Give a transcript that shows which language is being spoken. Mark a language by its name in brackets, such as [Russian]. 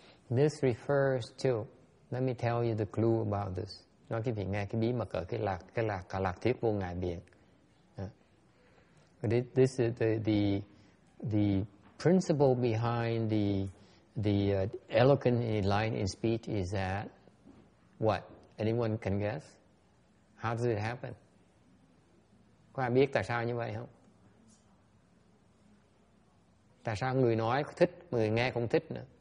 [English] This refers to, let me tell you the clue about this. [Vietnamese] Nói cái vị nghe cái bí mật ở cái lạc thuyết vô ngại biện. [English] This is the principle behind the eloquent line in speech is that what? Anyone can guess? How does it happen? [Vietnamese] Có ai biết tại sao như vậy không? Tại sao người nói thích, người nghe cũng thích nữa?